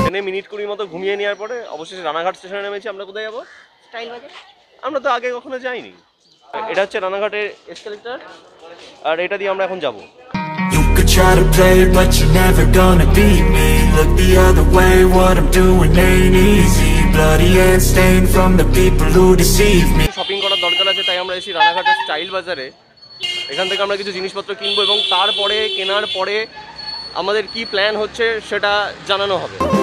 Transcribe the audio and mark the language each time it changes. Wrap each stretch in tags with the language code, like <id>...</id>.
<bn>Minute কুড়ির মতো ঘুমিয়ে নেওয়ার পরে অবশেষে রানাঘাট স্টেশনে নেমেছি। আমরা কোথায় যাবো? স্টাইল বাজার। আমরা তো আগে কখনো যাইনি। এটা হচ্ছে রানাঘাটের এসকেলেটর, আর এটা দিয়ে আমরা এখন যাব।</bn> <en>You could try to play it, but you're never gonna beat me. Look the other way, what I'm doing ain't easy. Bloody and stained from the people who deceive me.</en> <bn>Shopping করার দরকার আছে তাই আমরা এসে রানাঘাটের style বাজারে। এখান থেকে আমরা কিছু জিনিসপত্র কিনবো, এবং তারপরে কেনার পরে আমাদের কি প্ল্যান হচ্ছে সেটা জানানো হবে।</bn>